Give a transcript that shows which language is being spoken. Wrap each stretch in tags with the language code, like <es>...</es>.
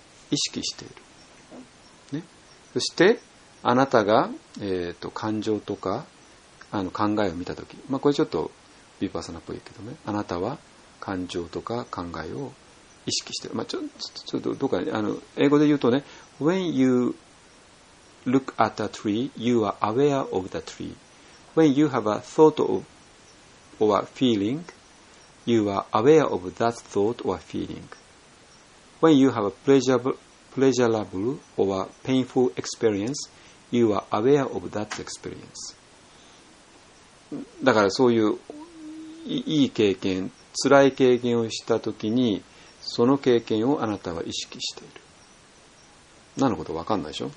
<ja>意識している、ね、そしてあなたが、感情とかあの考えを見たとき、まあ、これちょっとヴィパッサナっぽいけどね、あなたは感情とか考えを意識している、まあ、ちょっとどうかあの英語で言うとね、</ja> <en>When youLook at a tree, you are aware of the tree. When you have a thought or a feeling, you are aware of that thought or feeling. When you have a pleasurable or a painful experience, you are aware of that experience.</en> <ja>だからそういう いい経験、辛い経験をしたときに、その経験をあなたは意識している。なのこと分かんないでしょ。</ja>